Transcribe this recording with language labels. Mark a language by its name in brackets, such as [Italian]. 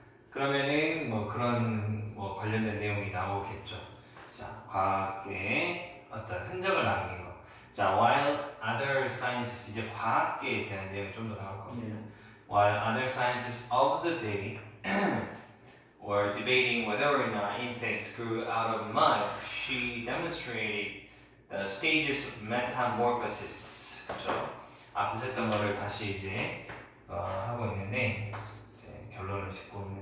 [Korean] 그러면은 뭐 그런 뭐 관련된 내용이 나오겠죠. 자, 과학계의 어떤 흔적을 남긴 거. 자, [English] while other scientists, [Korean] 이제 과학계에 대한 내용이 좀 더 나올 겁니다. [English] Yeah. While other scientists of the day were debating whether or not insects grew out of mud, she demonstrated the stages of metamorphosis. [Korean] 그렇죠? 앞에서 했던 거를 다시 이제 하고 있는데 이제 결론을 짓고